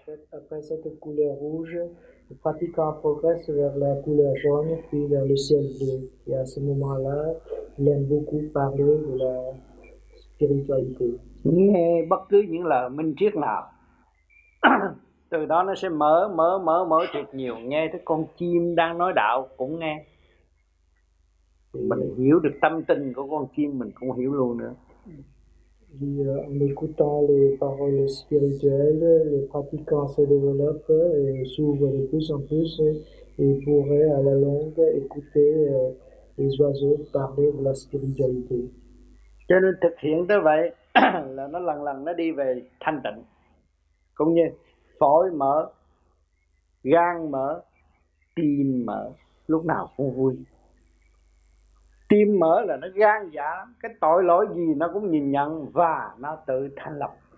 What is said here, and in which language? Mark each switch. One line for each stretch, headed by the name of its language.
French: Après cette couleur rouge, le pratiquant progresse vers la couleur jaune, puis vers le ciel bleu. Et à ce moment-là, il aime beaucoup parler de la spiritualité.
Vietnamese: Nghe bất cứ những lời minh triết nào. Từ đó nó sẽ mở mở mở mở thiệt nhiều, nghe tới con chim đang nói đạo cũng nghe. Mình hiểu được tâm tình của con chim mình cũng hiểu luôn nữa.
French: Thì en écoutant les paroles spirituelles, les pratiquants se développent et s'ouvrent de plus en plus et pourraient à la longue écouter les oiseaux parler de la spiritualité.
Vietnamese: Cho nên thực hiện tới vậy là nó lần lần nó đi về thanh tịnh. Cũng như phổi mở, gan mở, tim mở, lúc nào cũng vui. Tim mở là nó gan dạ, cái tội lỗi gì nó cũng nhìn nhận và nó tự thanh lọc.